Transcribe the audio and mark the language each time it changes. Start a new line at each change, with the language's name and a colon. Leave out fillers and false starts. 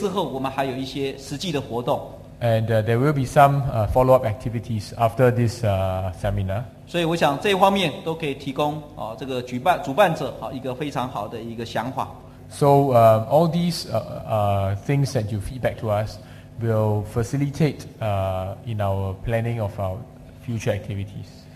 Chinese: 甚至我们在这一次宗教教育的讲习会之后，我们还有一些实际的活动。
English: And there will be some follow-up activities after this seminar.
Chinese: 所以我想这方面都可以提供这个主办者一个非常好的一个想法。
English: So all these things that you feedback to us will facilitate in our planning of our future activities.